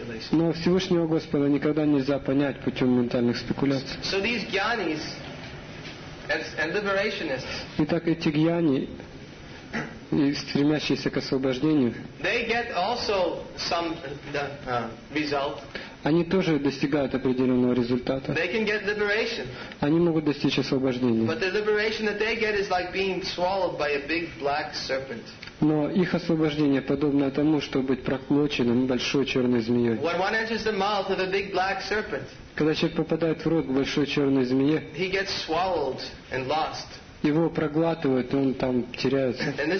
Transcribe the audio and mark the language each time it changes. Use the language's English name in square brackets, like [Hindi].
[Russian] Но Всевышнего Господа никогда нельзя понять путем ментальных спекуляций. [English] So these gyanis and liberationists, [Russian] итак, эти гьяни и стремящиеся к освобождению, [English] they get also some, result. [Russian] Они тоже достигают определенного результата. [English] They can get liberation. [Russian] Они могут достичь освобождения. [English] But the liberation that they get is like being swallowed by a big black serpent. [Russian] Но их освобождение подобно тому, чтобы быть проглоченным большой черной змеей. [English] When one enters the mouth of a big black serpent, [Russian] когда человек попадает в рот большой черной змее, [English] he gets swallowed and lost. [Russian] Его проглатывают, и он там теряется.